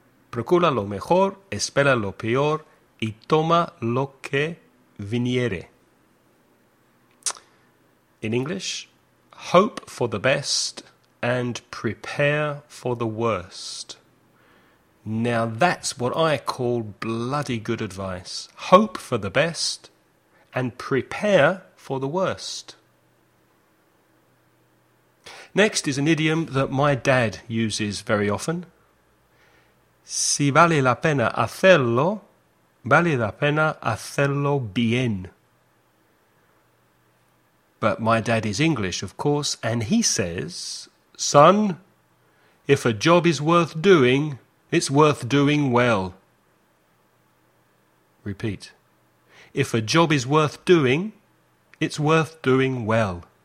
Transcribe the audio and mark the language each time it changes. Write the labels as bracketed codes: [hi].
[es] Procura lo mejor, espera lo peor, y toma lo que viniere. [en] In English, hope for the best and prepare for the worst. Now that's what I call bloody good advice. Hope for the best and prepare for the worst. Next is an idiom that my dad uses very often. [es] Si vale la pena hacerlo, vale la pena hacerlo bien. [en] But my dad is English, of course, and he says, son, if a job is worth doing, it's worth doing well. Repeat. If a job is worth doing, it's worth doing well.